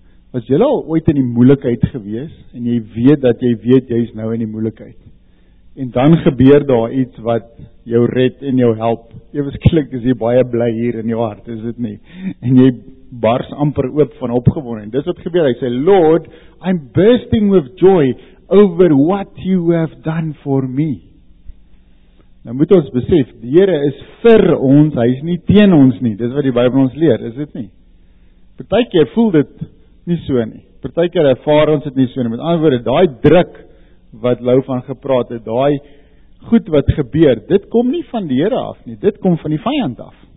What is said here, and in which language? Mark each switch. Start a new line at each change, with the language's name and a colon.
Afrikaans: Was jy al ooit in die moeilikheid gewees en jy weet dat jy weet jy is nou in die moeilikheid? En dan gebeur daar iets wat jou red en jou help. Eweskielik is jy baie bly hier in jou hart, is dit nie? En jy bars amper oop van opgewondenheid. Dis wat gebeur. Hy sê,
English: Lord, I'm bursting with joy over what you have done for me.
Afrikaans: Nou moet ons besef, die Here is vir ons, hy is nie teen ons nie. Dis wat die Bybel ons leer, is dit nie? Partykeer voel dit nie so nie. Partykeer ervaar ons dit nie so nie. Met ander woorde, daai druk wat Lou van gepraat het, daai goed wat gebeur, dit kom nie van die Here af nie, dit kom van die vyand af.